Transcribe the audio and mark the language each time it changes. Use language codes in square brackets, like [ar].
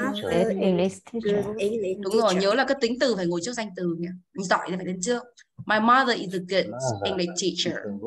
[en] My mother is a good English teacher. [vi] Đúng rồi, nhớ là cái tính từ phải ngồi trước danh từ nhé. Giỏi là phải đến trước. [en] My mother is a good English teacher.